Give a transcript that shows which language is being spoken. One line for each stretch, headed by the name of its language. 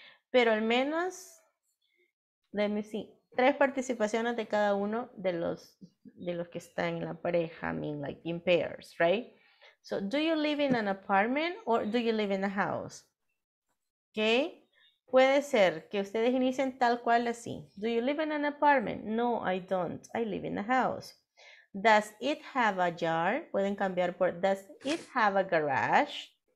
Spanish: Pero al menos,
English: let me see,
Spanish: 3 participaciones de cada uno de los que están en la pareja.
English: I mean, like in pairs, right? So, do you live in an apartment or do you live in a house? Okay.
Spanish: Puede ser que ustedes inicien tal cual así.
English: Do you live in an apartment? No, I don't. I live in a house. Does it have a yard?
Spanish: Pueden cambiar por,
English: does it have a garage?